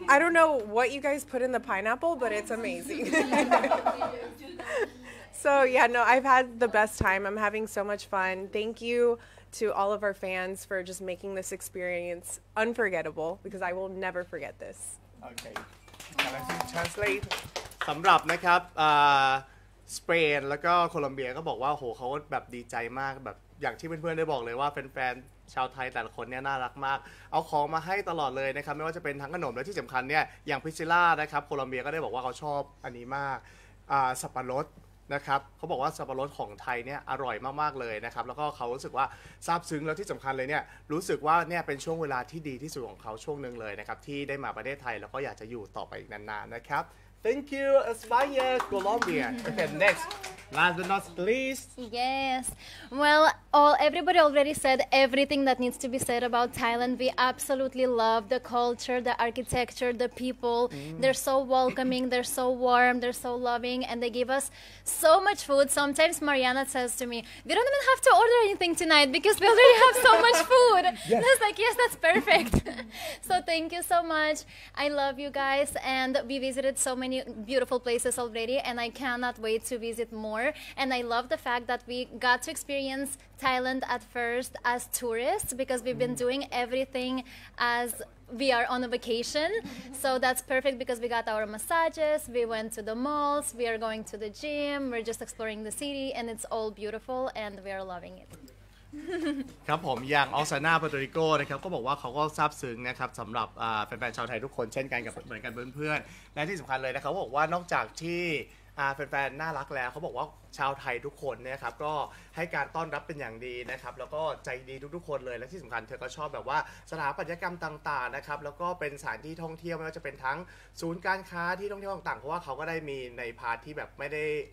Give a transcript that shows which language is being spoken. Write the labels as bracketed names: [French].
[English] I don't know what you guys put in the pineapple, but it's amazing. So yeah, no, I've had the best time. I'm having so much fun. Thank you to all of our fans for just making this experience unforgettable because I will never forget this. Okay. Can I translate? [Thai] สำหรับนะครับสเปนแล้วก็โคลอมเบียก็บอกว่าโหเขาแบบดีใจมากแบบอย่างที่เพื่อนๆได้บอกเลยว่าแฟนๆชาวไทยแต่ละคนเนี่ยน่ารักมากเอาของมาให้ตลอดเลยนะครับไม่ว่าจะเป็นทั้งขนมและที่สำคัญเนี่ยอย่างพิซซิล่านะครับโคลอมเบียก็ได้บอกว่าเขาชอบอันนี้มาก สับปะรดนะครับเขาบอกว่าสับปะรดของไทยเนี่ยอร่อยมากๆเลยนะครับแล้วก็เขารู้สึกว่าซาบซึ้งแล้วที่สำคัญเลยเนี่ยรู้สึกว่าเนี่ยเป็นช่วงเวลาที่ดีที่สุดของเขาช่วงนึงเลยนะครับที่ได้มาประเทศไทยแล้วก็อยากจะอยู่ต่อไปอีกนานๆนะครับ [English] Thank you España Colombia Okay next last but not least Yes well everybody already said everything that needs to be said about Thailand we absolutely love the culture the architecture the people they're so welcoming they're so warm they're so loving and they give us so much food sometimes Mariana says to me we don't even have to order anything tonight because we already have so much food yes. And I was like yes that's perfect so thank you so much I love you guys and we visited so many beautiful places already and I cannot wait to visit more and I love the fact that we got to experience Thailand at first as tourists because we've been doing everything as we are on a vacation so that's perfect because we got our massages we went to the malls we are going to the gym we're just exploring the city and it's all beautiful and we are loving it [Thai] ครับผมอย่างออสานาปาโตริโกนะครับก็บอกว่าเขาก็ซาบซึ้งนะครับสำหรับแฟนๆชาวไทยทุกคนเช่นกันกับเหมือนกันเพื่อนๆและที่สำคัญเลยนะครับเขาบอกว่านอกจากที่ แฟนๆน่ารักแล้วเขาบอกว่าชาวไทยทุกคนนะครับก็ให้การต้อนรับเป็นอย่างดีนะครับแล้วก็ใจดีทุกๆคนเลยและที่สำคัญเธอก็ชอบแบบว่าสถาปัตยกรรมต่างๆนะครับแล้วก็เป็นสถานที่ท่องเที่ยวไม่ว่าจะเป็นทั้งศูนย์การค้าที่ท่องเที่ยวต่างๆเพราะว่าเขาก็ได้มีในพาร์ทที่แบบไม่ได้